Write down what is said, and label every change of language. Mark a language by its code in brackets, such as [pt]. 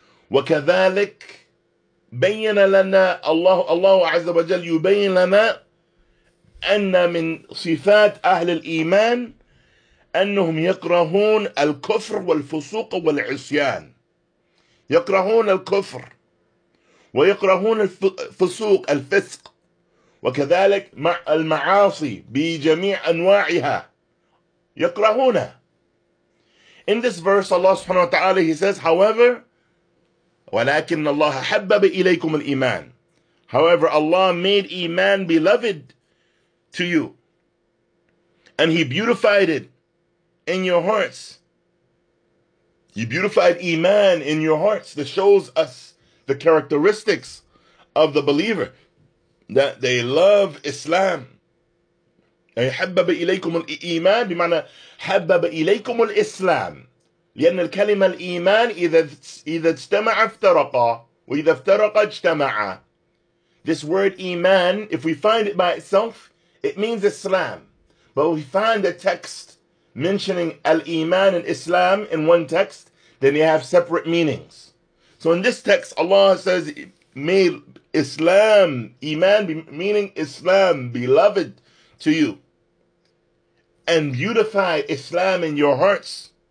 [ar] وكذلك بين لنا الله عز وجل يبين لنا أن من صفات أهل الإيمان أنهم يكرهون الكفر والفسوق والعصيان، يكرهون الكفر ويكرهون الفسوق الفسق، وكذلك مع المعاصي بجميع أنواعها يكرهونها. [en] In this verse Allah سبحانه وتعالى he says however [ar] ولكن الله حبب إليكم الإيمان، [en] however Allah made إيمان beloved to you and he beautified it in your hearts. He beautified Iman in your hearts. This shows us the characteristics of the believer, that they love Islam. [ar] حبب إليكم الإيمان بمعنى حبب إليكم الإسلام، لأن الكلمة الإيمان إذا اجتمع افترق وإذا افترق اجتمع. [en] This word Iman, if we find it by itself, it means Islam. But we find a text mentioning al-Iman and Islam in one text, then they have separate meanings. So in this text, Allah says, may Islam, Iman, meaning Islam, beloved to you, and beautify Islam in your hearts.